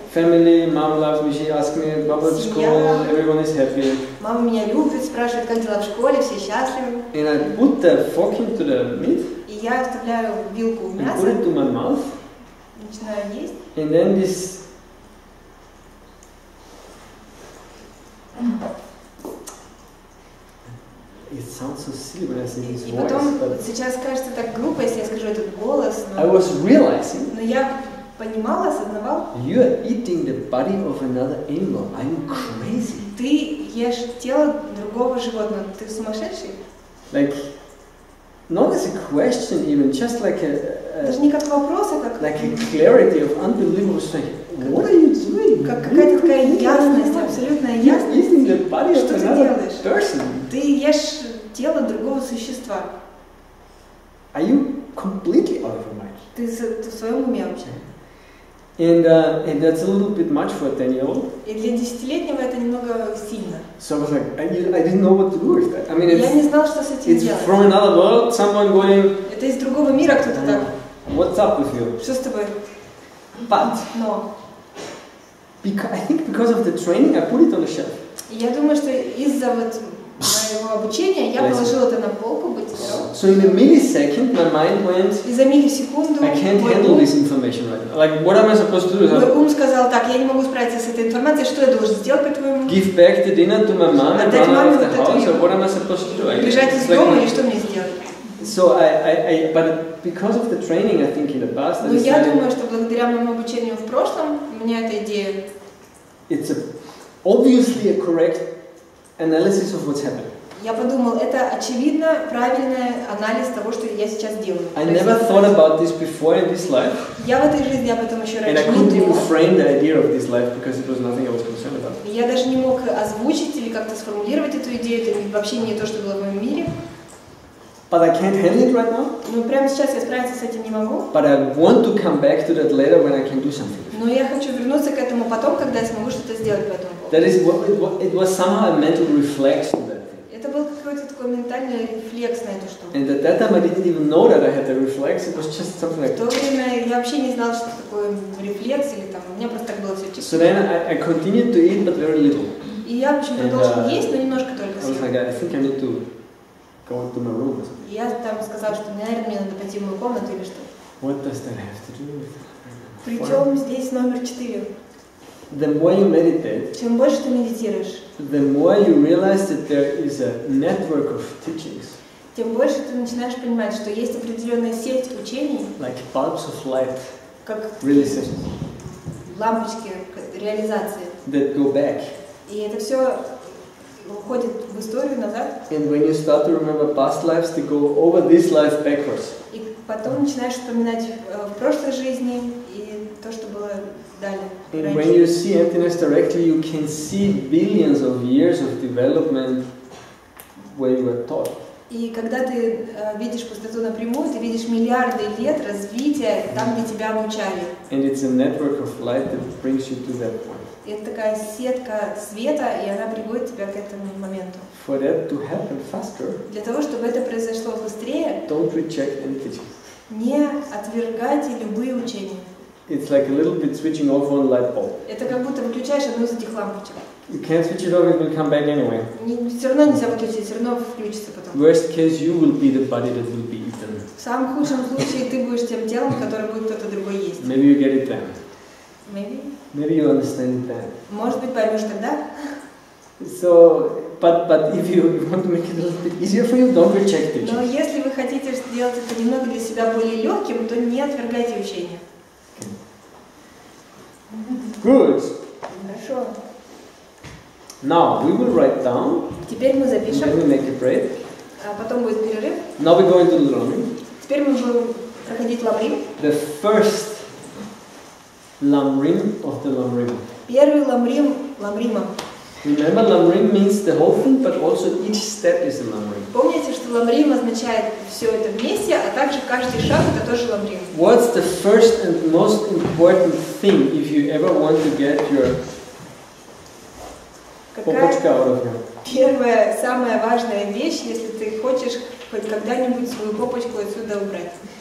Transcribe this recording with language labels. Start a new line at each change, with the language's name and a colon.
English: Family, mom loves me, she asks me, бабушка, everyone is happy.
Russian: Мама меня любит, спрашивает, как дела в школе, все счастливы.
English: And I put the fork into the meat.
Russian: И я вставляю вилку в мясо.
English: And put it to my mouth.
Russian: Начинаю есть.
English: And then this it sounds so silly when I say this voice.
Russian: И потом сейчас кажется так глупо, если я скажу этот голос.
English: I was realizing.
Russian: Но я понимал, осознавал.
English: You are eating the body of another animal. Are you crazy?
Russian: Ты ешь тело другого животного. Ты сумасшедший?
English: Like, not as a question even, just like a
Russian: даже не как вопрос, а как
English: like a clarity of unbelievable strength. What are you doing?
Russian: Как какая-то такая ясность, абсолютная ясность. Что ты делаешь?
English: Person.
Russian: Ты ешь тело другого существа.
English: Are you completely out of your mind?
Russian: Ты в своем уме вообще?
English: And that's a little bit much for a 10-year-old.
Russian: И для десятилетнего это немного сильно.
English: So I was like, I didn't know what to do with that. I mean,
Russian: я не знал, что с этим
English: it's
Russian: делать.
English: It's from another world, someone going.
Russian: Это из другого мира кто-то так.
English: What's up with you?
Russian: Что с тобой?
English: But.
Russian: Но.
English: I think because of the training, I put it on the shelf.
Russian: Я думаю, что из-за вот моего обучения я положил это на полку быть.
English: So in a millisecond, my mind went.
Russian: И за миллисекунду.
English: I can't handle this information right now. Like, what am I supposed to do?
Russian: Мой ум сказал так: я не могу справиться с этой информацией. Что я должен сделать по твоему?
English: Give back the dinner to my mom and run out of the house. So what am I supposed to do?
Russian: Бежать из дома или что мне сделать?
English: So I but because of the training, I think in the past.
Russian: Но я думаю, что благодаря моему обучению в прошлом у меня эта идея.
English: It's obviously a correct analysis of what's happening.
Russian: Я подумал, это очевидно правильный анализ того, что я сейчас делаю.
English: I never thought about this before in this life.
Russian: Я в этой жизни об этом еще раньше не думал.
English: And I couldn't even frame the idea of this life because it was nothing I was concerned about.
Russian: Я даже не мог озвучить или как-то сформулировать эту идею, это вообще не то, что было в моем мире.
English: But I can't handle it right now.
Russian: Но прямо сейчас я справиться с этим не могу.
English: But I want to come back to that later when I can do something.
Russian: Но я хочу вернуться к этому потом, когда я смогу что-то сделать по этому поводу.
English: That is what it was somehow a mental reflex on that thing.
Russian: Это был какой-то такой ментальный рефлекс на эту штуку.
English: And at that time I didn't even know that I had a reflex. It was just something like.
Russian: В то время я вообще не знала, что такое рефлекс или там. У меня просто так было все чисто.
English: So then I continued to eat, but very little.
Russian: И я, в общем, продолжила есть, но немножко только съела.
English: I was like, I think I need to go into my room.
Russian: Я там сказала, что, наверное, мне надо пойти в мою комнату или что.
English: What does that have to do with?
Russian: Причем здесь номер 4.
English: The more you meditate,
Russian: чем больше ты медитируешь,
English: the more you realize that there is a network of teachings.
Russian: Тем больше ты начинаешь понимать, что есть определенная сеть учений.
English: Like bulbs of light.
Russian: Как
English: realization.
Russian: Лампочки реализации.
English: That go back.
Russian: И это все уходит в историю назад.
English: And when you start to remember past lives, they go over this life backwards.
Russian: И потом начинаешь вспоминать прошлой жизни. То, что было далее.
English: And when you see emptiness directly, you can see billions of years of development where you were taught.
Russian: И когда ты видишь пустоту напрямую, ты видишь миллиарды лет развития там, где тебя обучали.
English: And it's a network of light that brings you to that point.
Russian: Это такая сетка света, и она приводит тебя к этому моменту.
English: For that to happen faster.
Russian: Для того, чтобы это произошло быстрее.
English: Don't reject any teachings.
Russian: Не отвергайте любые учения.
English: It's like a little bit switching off one light bulb.
Russian: Это как будто выключаешь одну из этих лампочек.
English: You can't switch it off, it will come back anyway.
Russian: Все равно нельзя выключить, все равно включится потом.
English: Worst case, you will be the body that will be eaten.
Russian: В самом худшем случае ты будешь тем телом, которое будет кто-то другой есть.
English: Maybe you get it then. Maybe. Maybe you understand it then.
Russian: Может быть поймешь тогда.
English: So, but if you want to make it a little bit easier for you, don't reject it.
Russian: Но если вы хотите сделать это немного для себя более легким, то не отвергайте учения.
English: Good.
Russian: Хорошо.
English: Now we will write down.
Russian: Теперь мы запишем.
English: Then we make a break.
Russian: А потом будет перерыв.
English: Now we go into the learning.
Russian: Теперь мы будем проходить ламрим.
English: The first ламрим of the ламрим.
Russian: Первый ламрим ламрима.
English: Remember, ламрим means the whole thing, but also each step is a ламрим.
Russian: Помните, что ламрим означает все это вместе, а также каждый шаг это тоже ламрим.
English: What's the first and most important thing if you ever want to get your попочка out of here?
Russian: Первая, самая важная вещь, если ты хочешь хоть когда-нибудь свою попочку отсюда убрать.